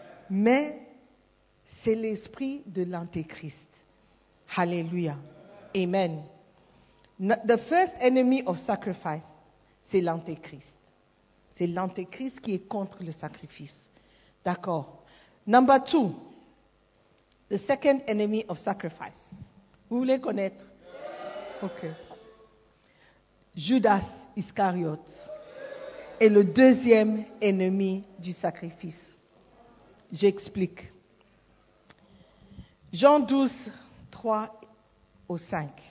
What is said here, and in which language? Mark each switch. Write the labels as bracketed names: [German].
[French] Mais c'est l'esprit de l'antéchrist. Alléluia. Amen. [English] The first enemy of sacrifice, [French] c'est l'antéchrist. C'est l'antéchrist qui est contre le sacrifice. D'accord. [English] Number two, the second enemy of sacrifice. [French] Vous voulez connaître? Ok. Judas Iscariot est le deuxième ennemi du sacrifice. J'explique. Jean 12, 3 au 5.